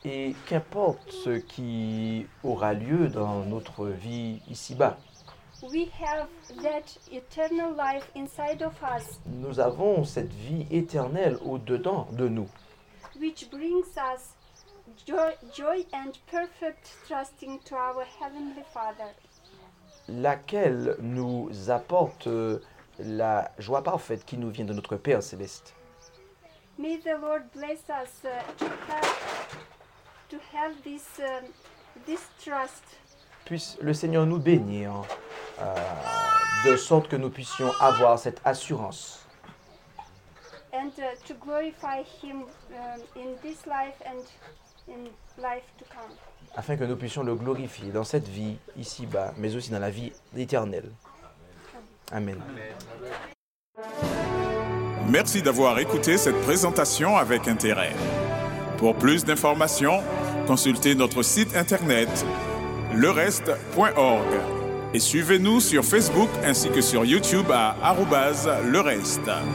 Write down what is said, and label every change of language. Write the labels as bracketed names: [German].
[French] Et qu'importe ce qui aura lieu dans notre vie ici-bas. [English] We have that eternal life inside of us. [French] Nous avons cette vie éternelle au-dedans de nous. [English] Which brings us joy and perfect trusting to our heavenly Father. [French] Laquelle nous apporte la joie parfaite qui nous vient de notre Père céleste. [English] May the Lord bless us to have this this trust. [French] Puisse le Seigneur nous bénir de sorte que nous puissions avoir cette assurance. [English] And to glorify him in this life and in life to come. [French] Afin que nous puissions le glorifier dans cette vie ici-bas, mais aussi dans la vie éternelle. [English] Amen. Amen. [French] Merci d'avoir écouté cette présentation avec intérêt. Pour plus d'informations, consultez notre site internet lereste.org et suivez-nous sur Facebook ainsi que sur YouTube à @lereste.